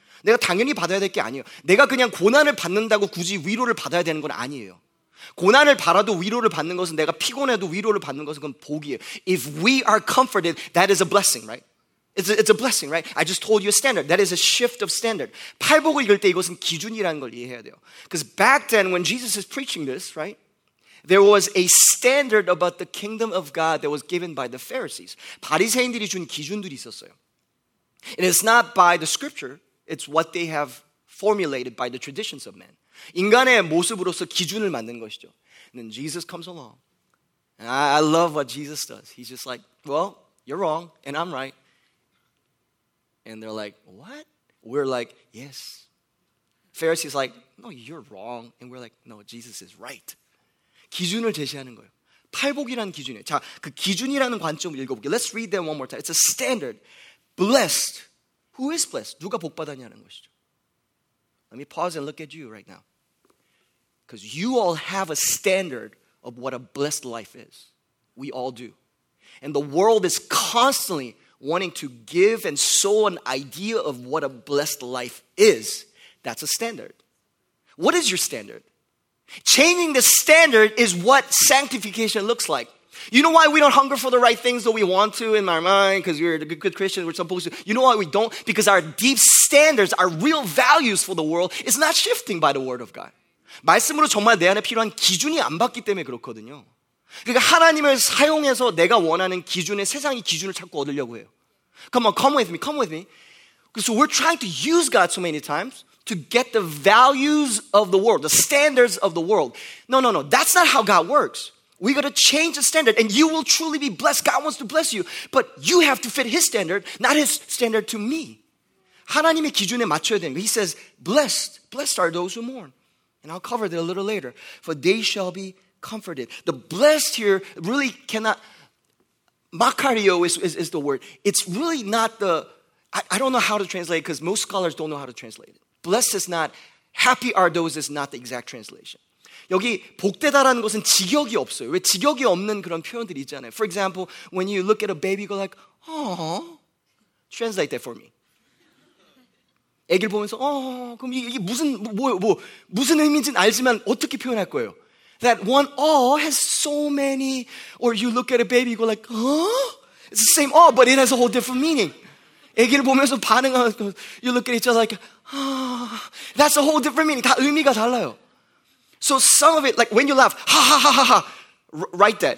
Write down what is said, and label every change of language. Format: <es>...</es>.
<ko>내가 당연히 받아야 될 게 아니에요. 내가 그냥 고난을 받는다고 굳이 위로를 받아야 되는 건 아니에요. 고난을 받아도 위로를 받는 것은 내가 피곤해도 위로를 받는 것은 그건 복이에요.</ko> <en>If we are comforted, that is a blessing, right? It's a blessing, right? I just told you a standard. That is a shift of standard.</en> <ko>팔복을 읽을 때 이것은 기준이라는 걸 이해해야 돼요.</ko> <en>Because back then, when Jesus is preaching this, right, there was a standard about the kingdom of God that was given by the Pharisees.</en> <ko>바리새인들이 준 기준들이 있었어요.</ko> <en>And it's not by the scripture. It's what they have formulated by the traditions of men.</en> <ko>인간의 모습으로서 기준을 만든 것이죠.</ko> <en>And then Jesus comes along. And I love what Jesus does. He's just like, well, you're wrong, and I'm right. And they're like, what? We're like, yes. Pharisees like, no, you're wrong. And we're like, no, Jesus is right.</en> <ko>기준을 제시하는 거예요. 팔복이라는 기준이에요. 자, 그 기준이라는 관점을 읽어볼게요.</ko> <en>Let's read that one more time. It's a standard. Blessed. Who is blessed?</en> <ko>누가 복받았냐는 것이죠.</ko> <en>Let me pause and look at you right now. Because you all have a standard of what a blessed life is. We all do. And the world is constantly wanting to give and sow an idea of what a blessed life is. That's a standard. What is your standard? Changing the standard is what sanctification looks like. You know why we don't hunger for the right things though we want to in our mind because we're a good Christian, we're supposed to. You know why we don't? Because our deep standards, our real values for the world is not shifting by the word of God.</en> <ko>말씀으로 정말 내 안에 필요한 기준이 안 받기 때문에 그렇거든요. 그러니까 하나님을 사용해서 내가 원하는 기준의 세상의 기준을 자꾸 얻으려고 해요.</ko> <en>Come on, come with me, come with me. So we're trying to use God so many times to get the values of the world, the standards of the world. No, no, no. That's not how God works. We got to change the standard and you will truly be blessed. God wants to bless you. But you have to fit his standard, not his standard to me.</en> <ko>하나님의 기준에 맞춰야 되는 거.</ko> <en>He says, blessed are those who mourn. And I'll cover that a little later. For they shall be comforted. The blessed here really cannot, makario is the word. It's really not the, I don't know how to translate it because most scholars don't know how to translate it. Blessed is not, happy are those is not the exact translation.</en> <ko>여기 복되다라는 것은 직역이 없어요. 왜 직역이 없는 그런 표현들이 있잖아요.</ko> <en>For example, when you look at a baby, you go like, oh, translate that for me.</en> <ko>애기를 보면서 어 그럼 이게 무슨 뭐 무슨 의미인지는 알지만 어떻게 표현할 거예요?</ko> <en>That one awe has so many, or you look at a baby, you go like, huh? It's the same awe, but it has a whole different meaning.</en> <ko>애기를 보면서 반응하고,</ko> <en>you look at each other like, huh? That's a whole different meaning.</en> <ko>다 의미가 달라요.</ko> <en>So some of it, like when you laugh, ha ha ha ha ha, write that.</en>